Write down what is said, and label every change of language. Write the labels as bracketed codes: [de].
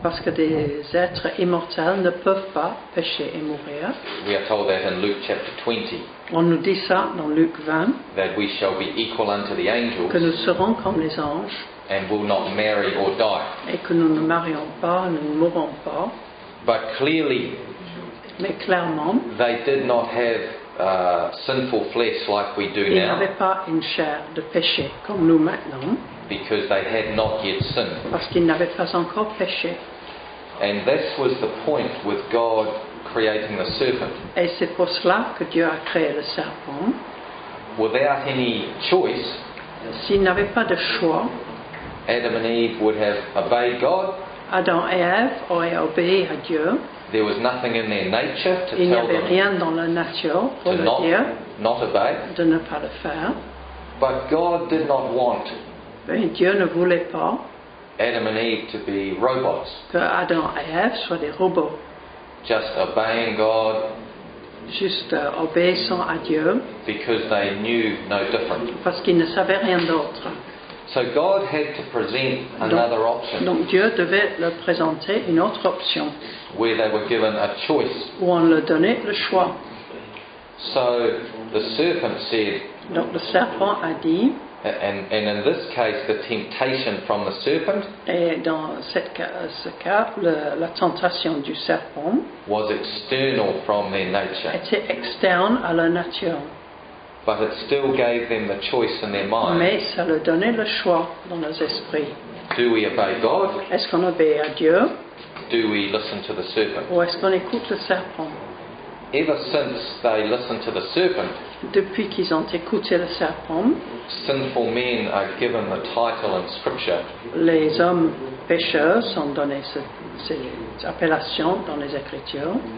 [fr] Parce que des êtres immortels ne peuvent pas pécher et mourir. [en] We are told that in Luke chapter 20. [fr] On nous dit ça dans Luc 20. [en] That we shall be equal unto the angels. [fr] Que nous serons comme les anges. [en] And will not marry or die. [fr] Et que nous ne marions pas, nous ne mourrons pas. [en] But clearly, [fr] mais clairement, [en] they did not have sinful flesh like we do [fr] ils [en] now. [fr] Ils n'avaient pas une chair de péché comme nous maintenant. [en] Because they had not yet sinned. [fr] Parce qu'ils n'avaient pas encore péché. [en] And this was the point with God creating the serpent. [fr] Et c'est pour cela que Dieu a créé le serpent. [en] Without any choice, [fr] s'ils n'avaient pas de choix, [en] Adam and Eve would have obeyed God. [fr] Adam et Ève auraient obéi à Dieu. [en] There was nothing in their nature to [fr] il n'y avait rien dans leur nature pour [en] to [fr] le dire [en] not obey. [fr] De ne pas le faire. [en] But God did not want [fr] mais Dieu ne voulait pas [en] Adam and Eve to be robots. [fr] Que Adam et Ève soient des robots. [en] Just obeying God. [fr] Juste obéissant à Dieu. [en] Because they knew no different. [fr] Parce qu'ils ne savaient rien d'autre. [en] So God had to present another option. [fr] Donc Dieu devait leur présenter une autre option. [en] Where they were given a choice. [fr] Où on leur donnait le choix. [en] So the serpent said. [fr] Donc le serpent a dit. [en] And in this case, the temptation from the serpent. [fr] Et dans ce cas, la tentation du serpent. [en] Was external from their nature. [fr] Était externe à leur nature. [en] But it still gave them the choice in their mind. [fr] Mais ça leur donnait le choix dans leurs esprits. [en] Do we obey God? [fr] Est-ce qu'on obéit à Dieu? [en] Do we listen to the serpent? [fr] Ou est-ce qu'on écoute le serpent? [en] Ever since they listened to the serpent, [fr] depuis qu'ils ont écouté le serpent, [en] sinful men are given the title in Scripture. [fr] Les hommes pécheurs sont donnés cette appellation dans les Écritures.